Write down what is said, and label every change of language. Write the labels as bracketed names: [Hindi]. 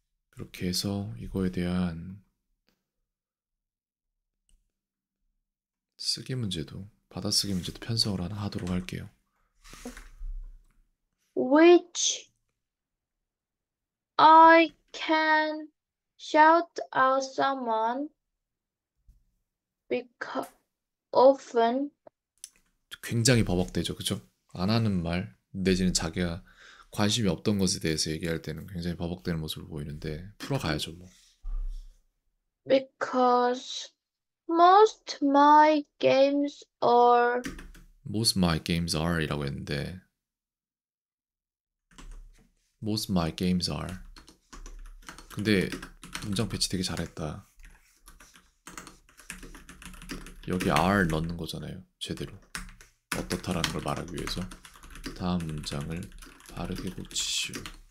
[Korean] 그렇게 해서 이거에 대한 쓰기 문제도, 받아쓰기 문제도 편성을 하나 하도록 할게요. [English] Which I can shout out someone because often [Korean] 굉장히 버벅대죠, 그쵸? 안 하는 말, 내지는 자기가 관심이 없던 것에 대해서 얘기할 때는 굉장히 버벅대는 모습을 보이는데 풀어가야죠, 뭐. [English] because most my games are Most my games are [Korean] 이라고 했는데 [English] Most my games are. [Korean] 근데 문장 배치 되게 잘했다. 여기 are 넣는 거잖아요, 제대로. 어떻다라는 걸 말하기 위해서 다음 문장을 바르게 고치시오.